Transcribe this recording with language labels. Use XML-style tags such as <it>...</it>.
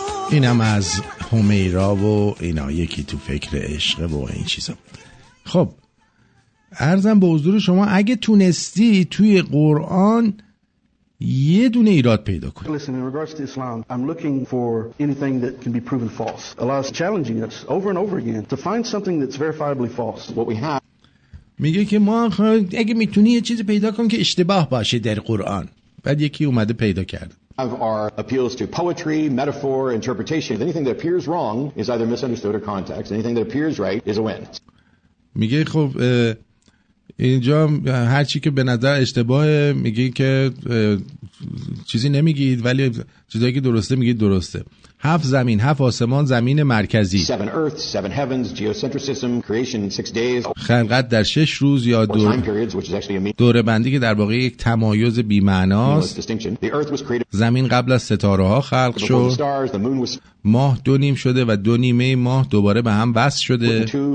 <fa>اینم از همیرا و اینا، یکی تو فکر عشق و این چیزا. خب عرضم به حضور شما، اگه تونستی توی قرآن یه دونه ایراد پیدا کن.</fa> <en>Listen, in regards to Islam, I'm looking for anything that can be proven false. Allah is challenging us over and over again to find something that's verifiably false. What we have.</en> <fa>میگه که ما اگه میتونی یه چیزی پیدا کن که اشتباه باشه در قرآن، بعد یکی اومده پیدا کرد.</fa> <en>Of our appeals to poetry, metaphor, interpretation. Anything that appears wrong is either misunderstood or context. Anything that appears right is a win.</en> <fa>میگه خب اینجا هر چی که به نظر اشتباهه میگی که چیزی نمیگید، ولی چیزایی که درسته میگید درسته. هفت زمین، هفت آسمان، زمین مرکزی.</fa> <en>Seven earths, seven heavens, geocentricism, creation in 6 days.</en> <fa>خلقت در 6 روز یا دوره بندی که در واقع یک تمایز بی‌معناست. زمین قبل از ستاره‌ها خلق شد. ماه دو نیم شده و دو نیمه ماه دوباره به هم وصل شده.</fa>